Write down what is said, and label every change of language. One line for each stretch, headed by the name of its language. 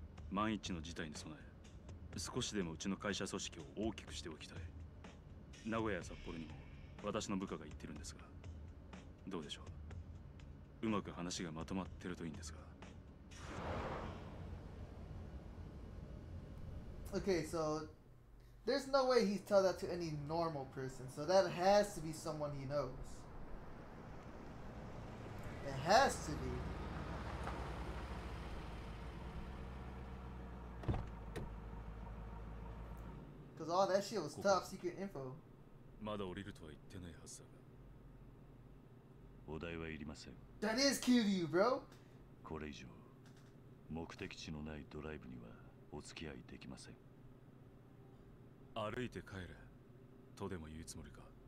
Japanese: 万一の事態に備え、少しでもうちの会社組織を大きくしておきたい。名古屋や札幌にも私の部下が行ってるんですが、どうでしょう。うまく話がまとまってるといいんですが。
English: Okay, soThere's no way he'd tell that to any normal person, so that has to be someone he knows. It has to be. Cause all that shit was top secret info.
Japanese: まだ降りるとは言ってないはずだ。お代はいりません。
English: That is cute of you, bro!
Japanese: これ以上、目的地のないドライブにはお付き合いできません。歩いて帰れとでも言うつもりか。